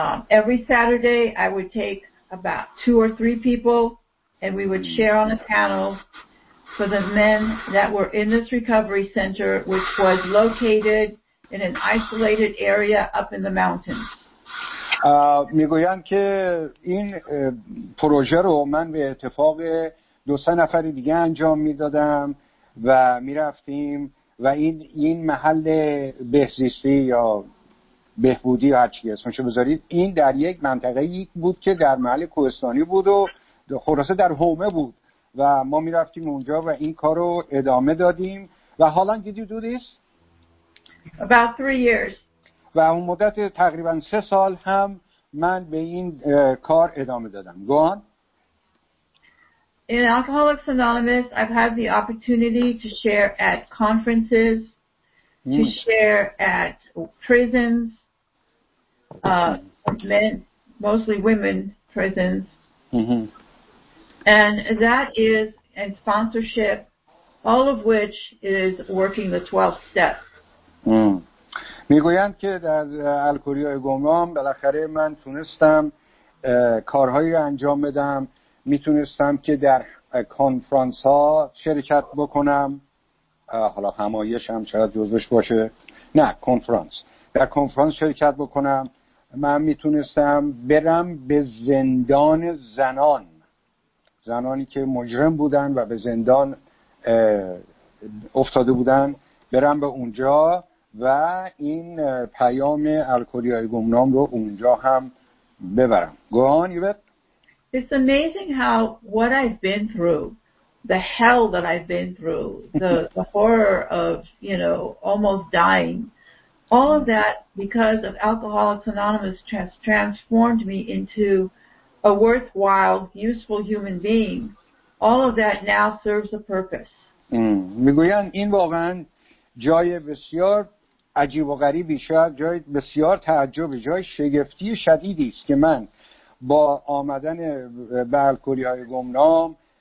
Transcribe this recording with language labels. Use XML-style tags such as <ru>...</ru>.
<en>Every Saturday I would take about 2 or 3 people and we would share on a panel for the men that were in this recovery center, which was located in an isolated area up in the mountains.</en> <fa>میگویند که این پروژه رو من به اتفاق 2-3 نفر دیگه انجام میدادم و میرفتیم و این محل بهزیستی یا بهبودی یا هرچی اسمش رو بذارید، این در یک منطقه بود که در محل کوهستانی بود و خلاصه در هومه بود و ما میرفتیم اونجا و این کار رو ادامه دادیم. و حالا</fa> <en>did you do this? About 3 years.</en> <fa>و اون مدت تقریبا 3 سال هم من به این کار ادامه دادم.</fa> <en>Go on. In Alcoholics Anonymous, I've had the opportunity to share at conferences, to share at prisons, men, mostly women prisons. And that is, and sponsorship, all of which is working the 12 steps.</en> <fa>میگویند که در الکلیای گمنام بالاخره من تونستم کارهایی رو انجام بدم، میتونستم که در کنفرانس ها شرکت بکنم، حالا همایش هم چرا جزوش باشه، نه کنفرانس، در کنفرانس شرکت بکنم، من میتونستم برم به زندان زنان، زنانی که مجرم بودن و به زندان افتاده بودن، برم به اونجا و این پیام الکلی‌های گمنام رو اونجا هم ببرم.</fa> <en>Go on, Yvette. It's amazing how what I've been through, the hell that I've been through, the horror of, you know, almost dying, all of that because of Alcoholics Anonymous transformed me into a worthwhile, useful human being. All of that now serves a purpose.</en> <fa>میگویند این واقعا جای بسیار عجیب و غریبی، شاید جای بسیار تعجبی، جای شگفتی شدیدی است که من با آمدن به الکلی‌های گمنام</fa>